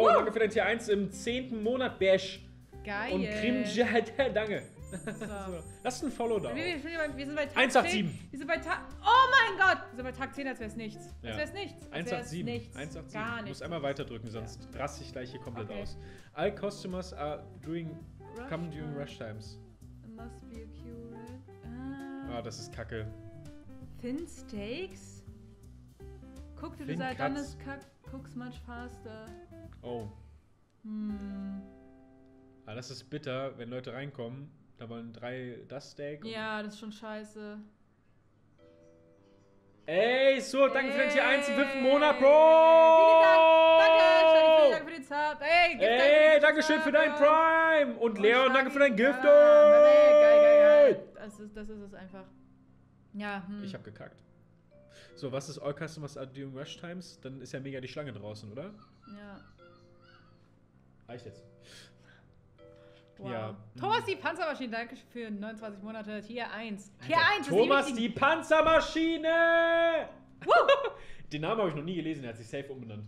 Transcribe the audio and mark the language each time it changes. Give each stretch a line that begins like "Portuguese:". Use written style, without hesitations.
German: Woo! Danke für dein Tier 1 im 10. Monat, Bash. Geil. Und cringe, Alter, danke. So. Lass ein Follow da. Wir sind bei Tag 187. 10. Wir sind bei Oh mein Gott! Wir sind bei Tag 10, als wäre es nichts. Ja. Als wäre es nichts. 187. Nichts. 187. Gar nichts. Du musst einmal weiterdrücken, sonst raste ich gleich hier komplett aus.
English: All customers are doing. Come during rush times. Must be a cure.
German: Ah, das ist kacke.
English: Thin steaks?
German: Guck dir das an, es
English: cooks much faster. Oh. Hm.
German: Ah, das ist bitter, wenn Leute reinkommen. Da wollen 3 das Steak. Ja, das ist schon scheiße. Ey, so, danke für den Tier 1 im 5. Monat, Bro! Vielen Dank! Danke! Vielen Dank für den Zap! Ey, danke schön für dein Prime! Und Leon, danke für dein Gift! Das ist es einfach. Ja, Ich hab gekackt. So, was ist
English: All Customers Are During Rush Times?
German: Dann ist ja mega die Schlange draußen, oder? Ja. Reicht jetzt. Wow. Ja. Thomas die Panzermaschine, danke für 29 Monate. Tier 1. Tier 1 Thomas die Panzermaschine! Den Namen habe ich noch nie gelesen, er hat sich safe umbenannt.